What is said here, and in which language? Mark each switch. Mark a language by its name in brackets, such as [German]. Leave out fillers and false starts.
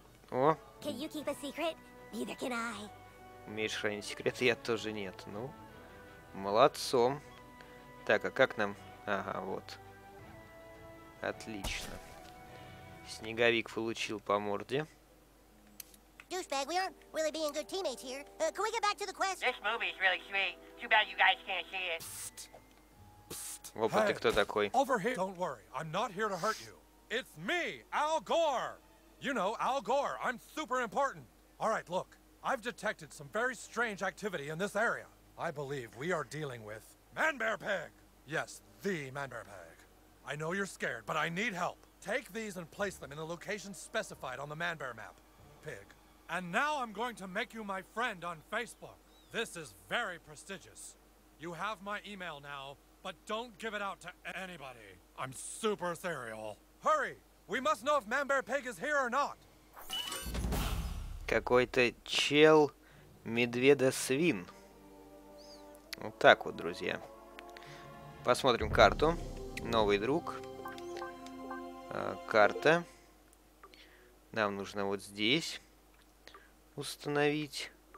[English] О! Can you keep a secret? Neither can I. [Russian] Умеешь хранить секреты? Я тоже нет. Ну, молодцом. Так, а как нам... Ага, вот. Отлично. Снеговик получил по морде. [English] Douchebag, we aren't really being good teammates here. Can we get back to the quest? This movie is really sweet. Too bad you guys can't see it. Psst. Psst. [Russian] Опа, ты кто такой? [English] Over here. Don't worry. I'm not here to hurt you. It's me, Al Gore. You know, Al Gore. I'm super important. All right, look. I've detected some very strange activity in this area. I believe we are dealing with Manbear Pig. Yes, the Manbear Pig. I know you're scared, but I need help. Take these and place them in the location specified on the Manbear map. Pig. And now I'm going to make you my friend on Facebook. This is very prestigious. You have my email now, but don't give it out to anybody. I'm super ethereal. Hurry! We must know if Manbear Pig is here or not. [Russian] Какой-то чел медведа-свин. Вот так вот, друзья. Посмотрим карту. Новый друг. Карта. Нам нужно вот здесь установить.